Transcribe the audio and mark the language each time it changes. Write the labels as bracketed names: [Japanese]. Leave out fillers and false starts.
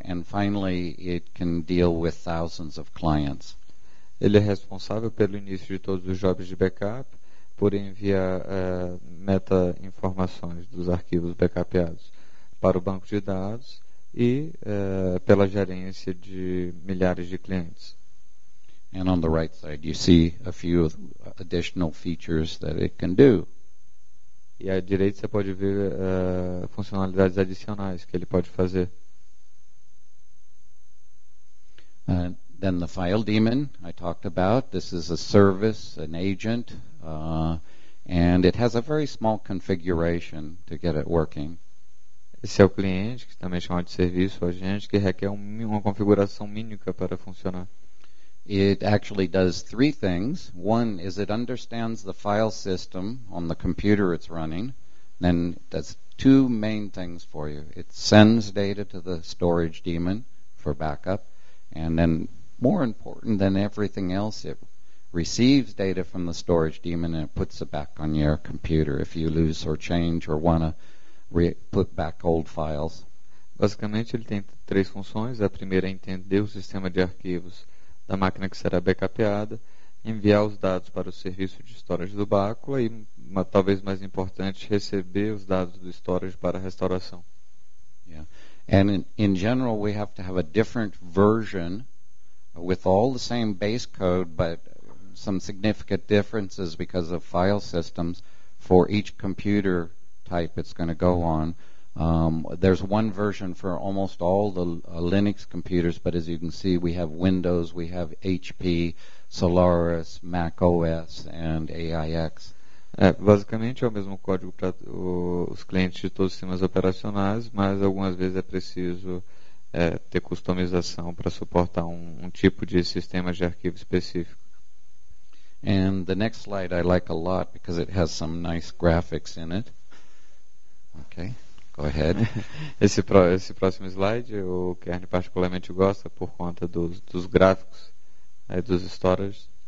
[English] And finally, it can deal with thousands of clients. [Portuguese] Ele é responsável pelo início de todos os jobs de backup, por enviar meta informações dos arquivos backupados para o banco de dados e pela gerência de milhares de clientes. [English] And on the right side, you see a few additional features that it can do. [Portuguese] E à direita você pode ver funcionalidades adicionais que ele pode fazer. [English] Then the file daemon I talked about. This is a service, an agent, and it has a very small configuration to get it working. [Portuguese] Esse é o cliente, que também é chamado de serviço, ou agente, que requer uma configuração mínima para funcionar. [English] It actually does three things. One is it understands the file system on the computer it's running. Then that's two main things for you. It sends data to the storage daemon for backup, and then more important than everything else, it receives data from the storage daemon and it puts it back on your computer if you lose or change or want to put back old files. [Portuguese] Basicamente, ele tem três funções. A primeira é entender o sistema de arquivos da máquina que será backupada, enviar os dados para o serviço de storage do Bacula e, talvez mais importante, receber os dados do storage para a restauração. [English] Yeah. And in general, we have to have a different version with all the same base code, but some significant differences because of file systems for each computer type it's going to go on. There's one version for almost all the Linux computers, but as you can see, we have Windows, we have HP, Solaris, Mac OS, and AIX. [Portuguese] Basicamente é o mesmo código para os clientes de todos os sistemas operacionais, mas algumas vezes é preciso ter customização para suportar um tipo de sistema de arquivo específico. [English] And the next slide I like a lot because it has some nice graphics in it. Okay. Go ahead. [Portuguese] Esse próximo slide o Kern particularmente gosta por conta dos gráficos e dos storages.